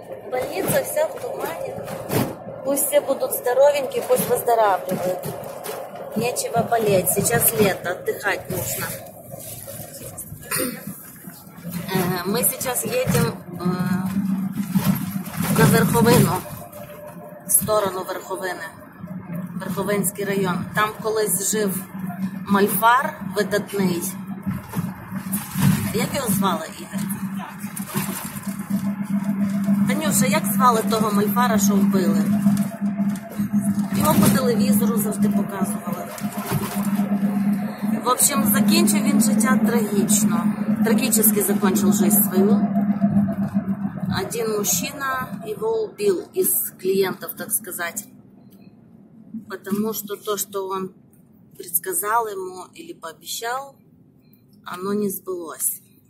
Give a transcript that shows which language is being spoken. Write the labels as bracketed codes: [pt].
[ru] Больница вся в тумане. Пусть все будут здоровенькие, пусть выздоравливают. Нечего болеть, сейчас лето, отдыхать нужно. Мы сейчас едем на Верховину. [uk] В сторону Верховини, Верховинський район. Там колись жив мальфар видатний. Як його звали, Ігор? Танюша, як звали того мальфара, що вбили? Його по телевізору завжди показували. [ru] В общем, [uk] закінчив він життя трагічно. Трагічно закінчив життя свою. [ru] Один мужчина его убил из клиентов, так сказать. Потому что то, что он предсказал ему или пообещал, оно не сбылось.